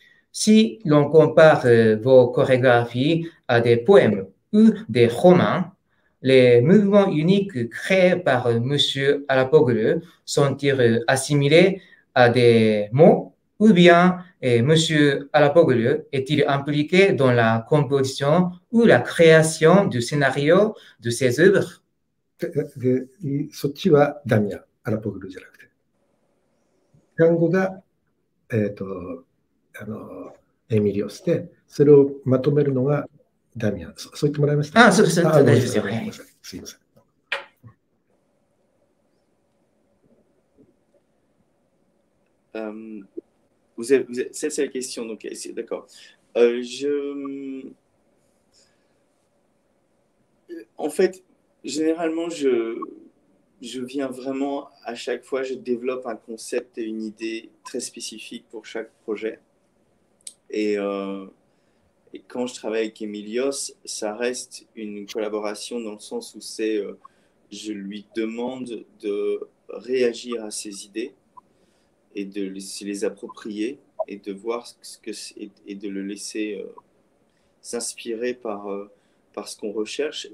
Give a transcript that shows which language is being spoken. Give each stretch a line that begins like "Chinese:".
French: Si l'on compare vos chorégraphies à des poèmes ou des romans, les mouvements uniques créés par Monsieur Alapoglu sont-ils assimilés à des mots ou bien Monsieur Alapoglu est-il impliqué dans la composition ou la création du scénario de ses œuvres?
Japanese: でそっちはダミアン、アラポグルじゃなくて。単語が、エミリオスで、それをまとめるのがダミアン。そう言ってもらいました。あ、そうですね。大丈夫ですよ。すいません。先生、ケーションのケース、だから。
French: Généralement, je viens vraiment à chaque fois, je développe un concept et une idée très spécifique pour chaque projet. Et quand je travaille avec Emilios, ça reste une collaboration dans le sens où c'est je lui demande de réagir à ses idées et de les approprier et de voir ce que c'est et de le laisser s'inspirer par ce qu'on recherche.